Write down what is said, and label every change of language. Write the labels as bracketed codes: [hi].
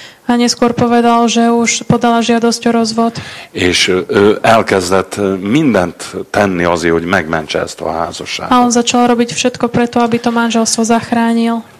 [sk] A neskôr povedal, že už podala žiadosť o rozvod. [hu] És elkezdett mindent tenni azért, hogy megmentse ezt a házasságot. [sk] A on začal robiť všetko preto, aby to manželstvo zachránil.